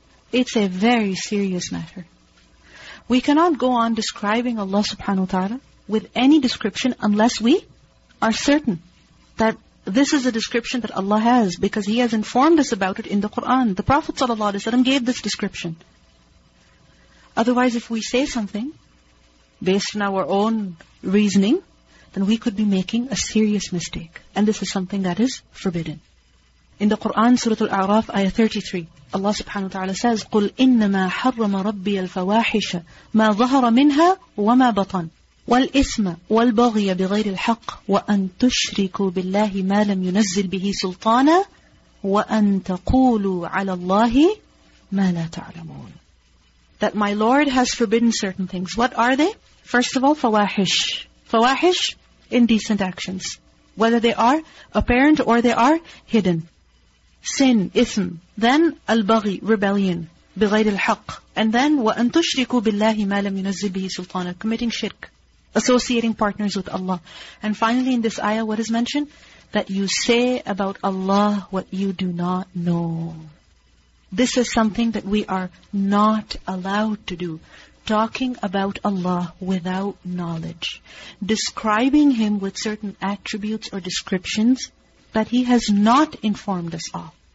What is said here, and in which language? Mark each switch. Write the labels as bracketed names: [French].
[English] It's a very serious matter. We cannot go on describing Allah subhanahu wa ta'ala with any description unless we are certain that this is a description that Allah has, because He has informed us about it in the Quran. The Prophet ﷺ gave this description. Otherwise, if we say something based on our own reasoning, then we could be making a serious mistake. And this is something that is forbidden. In the Quran, Surah Al-A'raf, Ayah 33, Allah subhanahu wa ta'ala says, [Arabic] قُلْ إِنَّمَا حَرَّمَ رَبِّيَ الْفَوَاحِشَ مَا ظَهَرَ مِنْهَا وَمَا بَطَنَ وَالْإِثْمَ وَالْبَغْيَ بِغَيْرِ الْحَقِّ وَأَنْ تُشْرِكُوا بِاللَّهِ مَا لَمْ يُنَزِّلْ بِهِ سُلْطَانًا وَأَنْ تَقُولُوا عَلَى اللَّهِ مَا لَا تَعْلَمُونَ. [English] That my Lord has forbidden certain things. What are they? First of all, fawahish. Fawahish, indecent actions. Whether they are apparent or they are hidden. Sin, ism. Then, al-baghi, rebellion. [Arabic] بِغَيْرِ الْحَقِّ. [English] And then, [Arabic] وَأَنْ تُشْرِكُوا بِاللَّهِ مَا لَمْ يُنَزِّلْ بِهِ سُلْطَانًا. [English] Committing shirk. associating partners with Allah. And finally in this ayah, what is mentioned? That you say about Allah what you do not know. This is something that we are not allowed to do. Talking about Allah without knowledge. Describing Him with certain attributes or descriptions that He has not informed us of.